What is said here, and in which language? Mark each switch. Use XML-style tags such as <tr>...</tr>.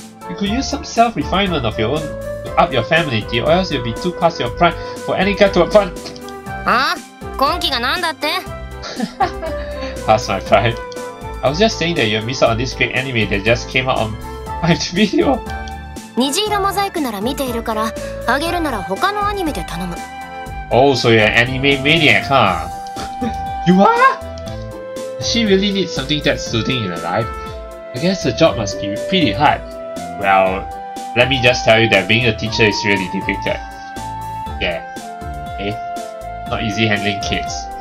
<en>You could use some self-refinement of your own to up your family, dear, or else you'll be too past your prime for any guy to affront.</en> <ja>Huh? 根気が何だって?</ja> <en>Past my prime. I was just saying that you'll miss out on this great anime that just came out on my video.</en> <ja>虹色モザイクなら見ているから、あげるなら他のアニメで頼む。</ja> <en>Oh, so you're an anime maniac, huh? You are? She really needs something that's suiting in her life. I guess the job must be pretty hard. Well, let me just tell you that being a teacher is really difficult. Yeah. Eh? Not easy handling kids.</en>